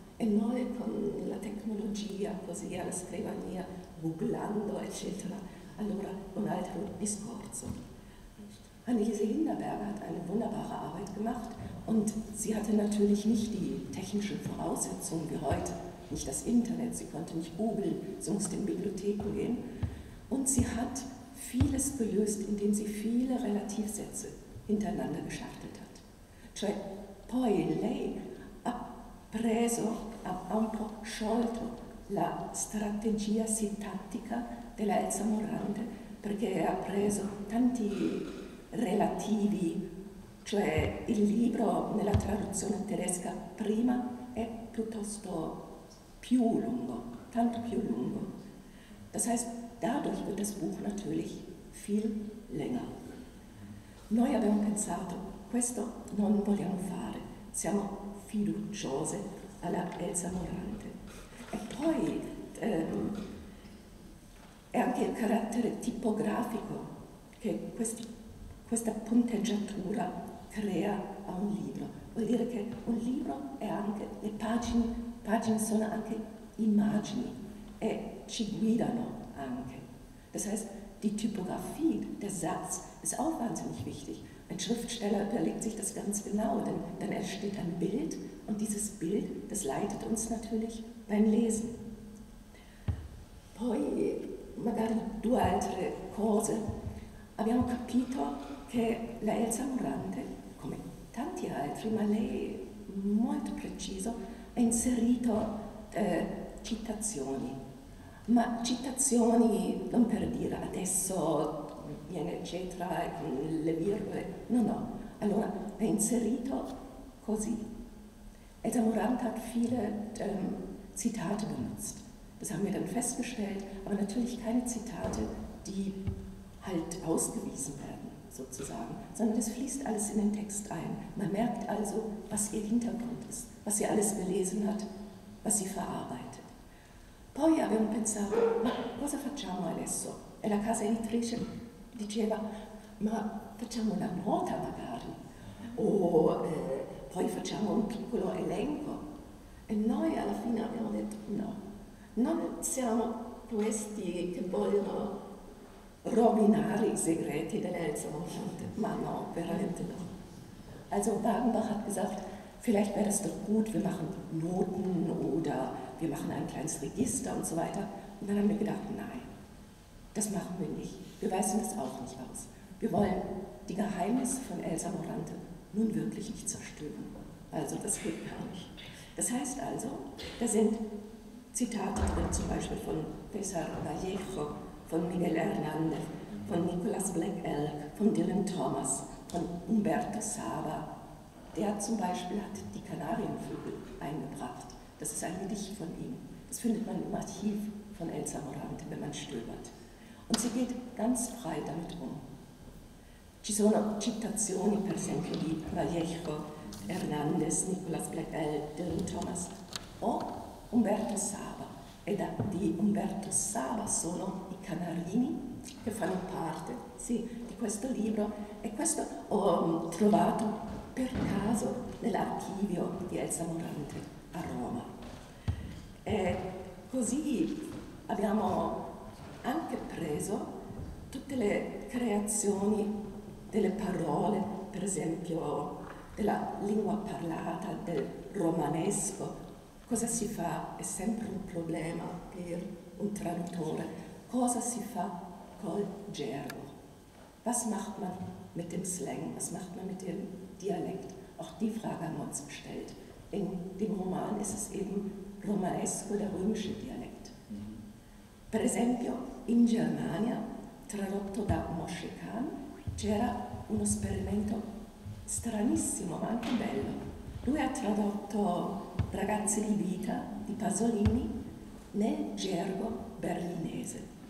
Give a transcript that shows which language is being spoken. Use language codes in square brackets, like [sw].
[it] E noi con la tecnologia, così alla scrivania, googlando, eccetera. Allora, un altro discorso. [de] Anneliese Hinterberger hat eine wunderbare Arbeit gemacht und sie hatte natürlich nicht die technischen Voraussetzungen wie heute, nicht das Internet, sie konnte nicht googeln, sie musste in Bibliotheken gehen. Und sie hat vieles gelöst, indem sie viele Relativsätze hintereinander geschachtelt hat. [it] Cioè, poi lei ha preso a un po' sciolto la strategia sintattica della Elsa Morante, perché ha preso tanti relativi, cioè il libro nella traduzione tedesca prima è piuttosto più lungo, tanto più lungo. [de] Das heißt, dadurch wird das Buch natürlich viel länger. [it] Noi abbiamo pensato, questo non vogliamo fare, siamo fiduciose alla Elsa Morante. E poi è anche il carattere tipografico che questa punteggiatura crea a un libro. Vuol dire che un libro è anche, le pagine sono anche immagini e ci guidano anche. [de] Das heißt, die Typografie, der Satz, ist auch wahnsinnig wichtig. Ein Schriftsteller überlegt sich das ganz genau, denn dann entsteht ein Bild und dieses Bild, das leitet uns natürlich beim Lesen. [it] Poi, magari due altre cose. Abbiamo capito che la Elsa Morante, come tanti altri, ma lei molto preciso, ha inserito citazioni. Ma citazioni non per dire adesso viene eccetera, le virgole, no, no. Allora, ha inserito così. [de] Elsa Morante hat viele Zitate benutzt. Das haben wir dann festgestellt, aber natürlich keine Zitate, die halt ausgewiesen werden, sozusagen, sondern das fließt alles in den Text ein. Man merkt also, was ihr Hintergrund ist, was sie alles gelesen hat, was sie verarbeitet. [it] Poi abbiamo pensato, ma cosa facciamo adesso? E la casa editrice diceva, ma facciamo una nota magari, o poi facciamo un piccolo elenco. E noi alla fine abbiamo detto, no, non siamo questi che vogliono rovinare i segreti dell'Elsa Morante, ma no, veramente no. [de] Also Wagenbach hat gesagt, vielleicht wäre es doch gut, wir machen Noten oder wir machen ein kleines Register und so weiter. Und dann haben wir gedacht, nein, das machen wir nicht. Wir weisen das auch nicht aus. Wir wollen die Geheimnisse von Elsa Morante nun wirklich nicht zerstören. Also das geht gar nicht. Das heißt also, da sind Zitate drin, zum Beispiel von César Vallejo, von Miguel Hernández, von Nicholas Black Elk, von Dylan Thomas, von Humberto Saba. Der zum Beispiel hat die Kanarienvögel eingebracht. Das ist ein Gedicht von ihm. Das findet man im Archiv von Elsa Morante, wenn man stöbert. Und sie geht ganz frei damit um. [it] Ci sono citazioni, per esempio, di Vallejo, Hernández, Nicholas Black Elk, Dylan Thomas o Humberto Saba. E da di Humberto Saba sono Canarini che fanno parte, sì, di questo libro. E questo ho trovato per caso nell'archivio di Elsa Morante a Roma. E così abbiamo anche preso tutte le creazioni delle parole, per esempio della lingua parlata, del romanesco. Cosa si fa? È sempre un problema per un traduttore. Cosa si fa col gergo. [de] Was macht man mit dem Slang, was macht man mit dem Dialekt? Auch die Frage haben wir uns gestellt. In dem Roman ist es eben romanesco, der römische Dialekt. [it] Per esempio, in Germania, tradotto da Moshe Khan, c'era un esperimento stranissimo, ma anche bello. Lui ha tradotto Ragazze di vita di Pasolini nel gergo berlinese.